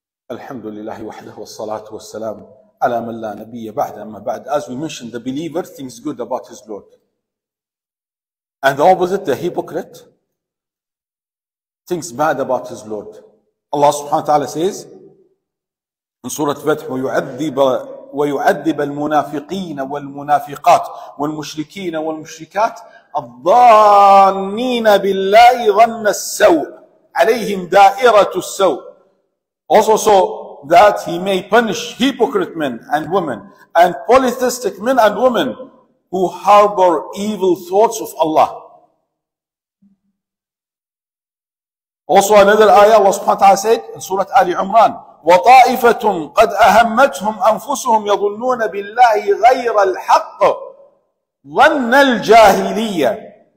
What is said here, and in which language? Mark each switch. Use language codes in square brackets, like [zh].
[ar] الحمد لله وحده والصلاة والسلام على من لا نبي بعد. أما بعد, [en] as we mentioned, the believer thinks good about his Lord. And the opposite, the hypocrite, thinks bad about his Lord. Allah subhanahu wa ta'ala says in Surah Fath, [ar] وَيُعَذِّبَ الْمُنَافِقِينَ وَالْمُنَافِقَاتِ وَالْمُشْرِكِينَ وَالْمُشْرِكَاتِ الظَّانِّينَ بِاللَّهِ ظَنَّ السَّوْءِ عَلَيْهِمْ دَائِرَةُ السَّوْءِ. [en] Also so that he may punish hypocrite men and women and polytheistic men and women who harbor evil thoughts of Allah. Also another ayah, Allah subhanahu wa ta'ala said in Surah Ali Imran, [ar] وَطَائِفَةٌ قَدْ أَهَمَّتْهُمْ أَنفُسُهُمْ يَظُنُّونَ بِاللَّهِ غَيْرَ الْحَقِّ ظَنَّ الْجَاهِلِيَّةِ.